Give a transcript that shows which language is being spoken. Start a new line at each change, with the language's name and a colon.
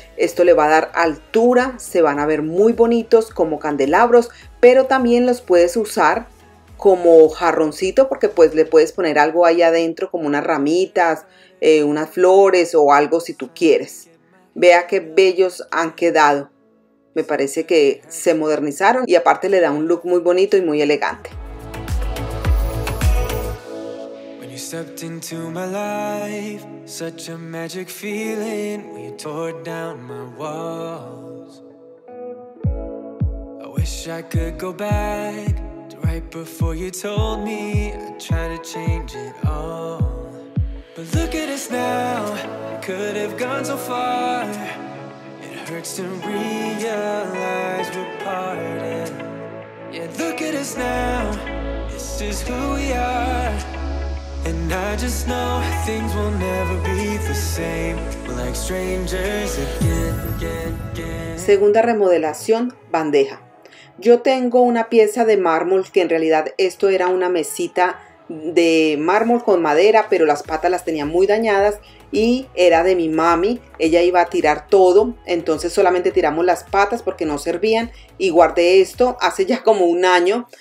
Spanish: Esto le va a dar altura, se van a ver muy bonitos como candelabros, pero también los puedes usar como jarroncito, porque pues le puedes poner algo ahí adentro, como unas ramitas, unas flores o algo si tú quieres. Vea qué bellos han quedado. Me parece que se modernizaron y aparte le da un look muy bonito y muy elegante.
English: When you stepped into my life, such a magic feeling, when you tore down my walls. I wish I could go back. Right before you told me, I'd try to change it all. But look at us now, we could have gone so far. It hurts to realize we're parted. Yeah, look at us now, this is who we are. And I just know things will never be the same. We're like strangers again, again, again.
Spanish: Segunda remodelación, bandeja. Yo tengo una pieza de mármol que en realidad esto era una mesita de mármol con madera, pero las patas las tenía muy dañadas y era de mi mami. Ella iba a tirar todo, entonces solamente tiramos las patas porque no servían y guardé esto hace ya como un año.